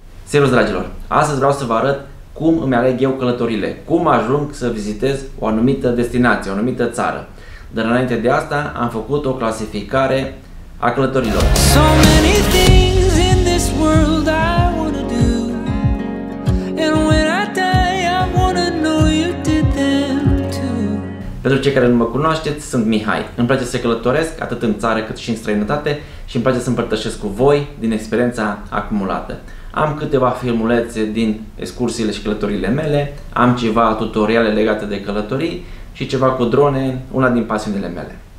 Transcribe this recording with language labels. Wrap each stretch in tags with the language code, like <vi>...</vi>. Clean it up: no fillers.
<ro>Serios, dragilor, astăzi vreau să vă arăt cum îmi aleg eu călătorile, cum ajung să vizitez o anumită destinație, o anumită țară. Dar înainte de asta am făcut o clasificare a călătorilor.</ro> <en>So many things in this world I wanna do, and when I die I wanna know you did them too.</en> <ro>Pentru cei care nu mă cunoașteți, sunt Mihai. Îmi place să călătoresc atât în țară cât și în străinătate și îmi place să împărtășesc cu voi din experiența acumulată. Am câteva filmulețe din excursiile și călătoriile mele, am ceva tutoriale legate de călătorii și ceva cu drone, una din pasiunile mele.</ro>